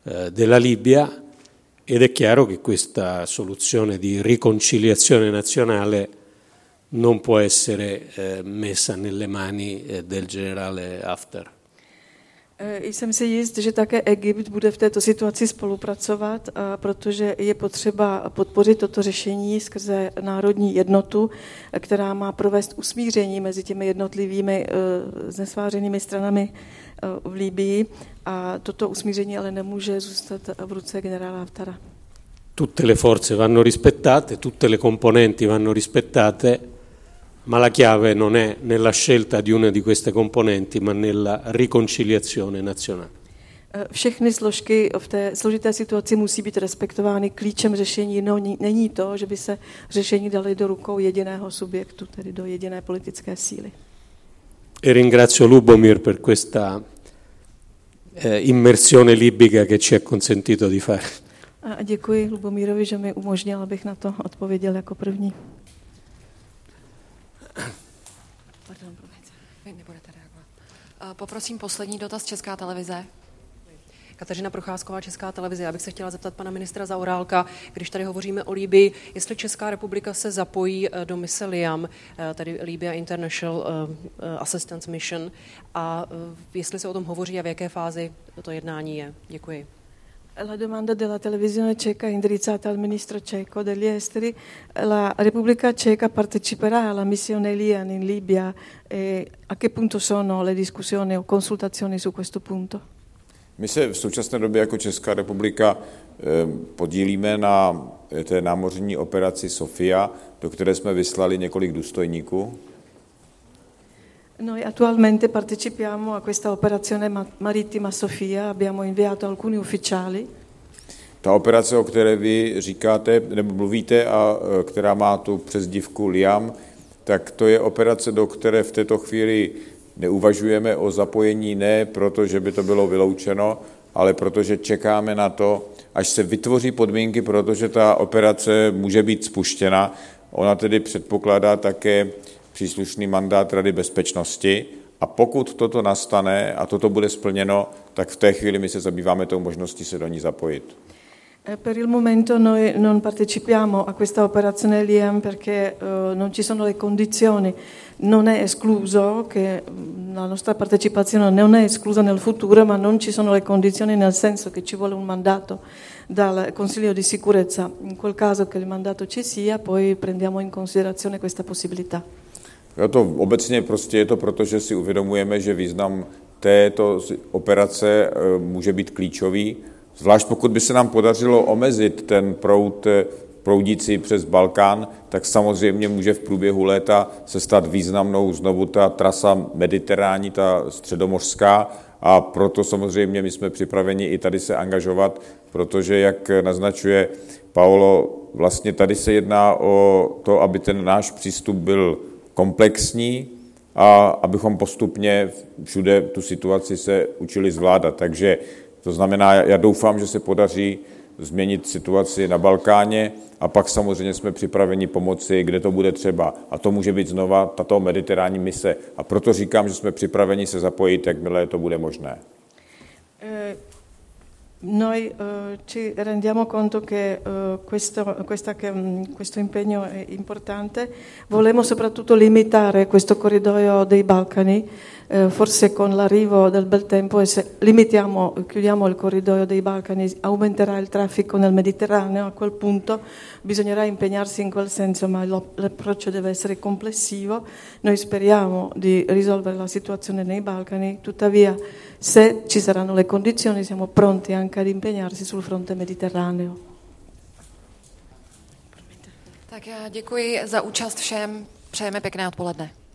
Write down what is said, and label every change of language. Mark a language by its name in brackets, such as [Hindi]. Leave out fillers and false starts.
[Italian] della Libia ed è chiaro che questa soluzione di riconciliazione nazionale non può essere messa nelle mani del generale Haftar. [Czech] Jsem si jist, že také Egypt bude v této situaci spolupracovat, protože je potřeba podpořit toto řešení skrze národní jednotu, která má provést usmíření mezi těmi jednotlivými znesvářenými stranami v Libii. A toto usmíření ale nemůže zůstat v ruce generála Haftara. [Italian] Tutte le forze vanno rispettate, tutte le componenti vanno rispettate. Ma la chiave non è nella scelta di una di queste componenti, ma nella riconciliazione nazionale. [Czech] Všechny složky v té složité situaci musí být respektovány. Klíčem řešení není to, že by se řešení dali do rukou jediného subjektu, tedy do jediné politické síly. [Italian] E ringrazio Lubomir per questa immersione libica che ci ha consentito di fare. [Czech] A děkuji Lubomírovi, že mi umožnil, abych na to odpověděl jako první. Pardon, vy nebudete reagovat. Poprosím poslední dotaz Česká televize. Kateřina Procházková, Česká televize. Já bych se chtěla zeptat pana ministra Zaorálka, když tady hovoříme o Libii, jestli Česká republika se zapojí do mise LIAM, tedy Libya International Assistance Mission, a jestli se o tom hovoří a v jaké fázi to jednání je. Děkuji. [Italian] La domanda della televisione ceca indirizzata al ministro ceco degli esteri. La Repubblica Ceca parteciperà alla missione LIAN in Libia. E a che punto sono le discussioni o consultazioni su questo punto? [Czech] My se v současné době jako Česká republika podílíme na té námořní operaci Sofia, do které jsme vyslali několik důstojníků. [Italian] Noi attualmente partecipiamo a questa operazione marittima Sofia, abbiamo inviato alcuni ufficiali. [Czech] Ta operace, o které vy říkáte nebo mluvíte a která má tu přezdívku LIAM, tak to je operace, do které v této chvíli neuvažujeme o zapojení, ne proto, že by to bylo vyloučeno, ale protože čekáme na to, až se vytvoří podmínky, protože ta operace může být spuštěna. Ona tedy předpokládá také příslušný mandát Rady bezpečnosti a pokud toto nastane a toto bude splněno, tak v té chvíli my se zabýváme tou možností se do ní zapojit. [Italian] Per il momento noi non partecipiamo a questa operazione LIAM perché non ci sono le condizioni. Non è escluso che la nostra partecipazione non è esclusa nel futuro, ma non ci sono le condizioni nel senso che ci vuole un mandato dal Consiglio di sicurezza. In quel caso che il mandato ci sia, poi prendiamo in considerazione questa possibilità. [Czech] Jo, to obecně prostě je to proto, že si uvědomujeme, že význam této operace může být klíčový. Zvlášť pokud by se nám podařilo omezit ten proud proudící přes Balkán, tak samozřejmě může v průběhu léta se stát významnou znovu ta trasa mediteránní, ta středomořská, a proto samozřejmě my jsme připraveni i tady se angažovat, protože jak naznačuje Paolo, vlastně tady se jedná o to, aby ten náš přístup byl komplexní a abychom postupně všude tu situaci se učili zvládat. Takže to znamená, já doufám, že se podaří změnit situaci na Balkáně a pak samozřejmě jsme připraveni pomoci, kde to bude třeba. A to může být znova tato mediterální mise. A proto říkám, že jsme připraveni se zapojit, jakmile to bude možné. [Italian] Noi ci rendiamo conto che questo impegno è importante. Volemo soprattutto limitare questo corridoio dei Balcani. Forse con l'arrivo del bel tempo, e se limitiamo, chiudiamo il corridoio dei Balcani, aumenterà il traffico nel Mediterraneo. A quel punto bisognerà impegnarsi in quel senso, ma l'approccio deve essere complessivo. Noi speriamo di risolvere la situazione nei Balcani, tuttavia se ci saranno le condizioni siamo pronti anche ad impegnarsi sul fronte mediterraneo. [Czech] Tak ja děkuji za účast všem, přejeme pekné odpoledne.